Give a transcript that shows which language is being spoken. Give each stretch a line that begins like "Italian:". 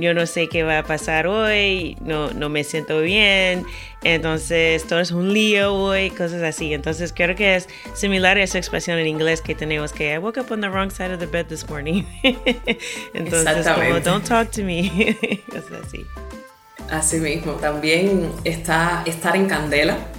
Spanish: Yo no sé qué va a pasar hoy. No me siento bien. Entonces, todo es un lío hoy, cosas así. Entonces, creo que es similar a esa expresión en inglés que tenemos, que
English: I woke up on the wrong side of the bed this morning.
Spanish: Entonces, como,
English: don't talk to me.
Spanish: Cosas así. Así mismo. También está estar en candela.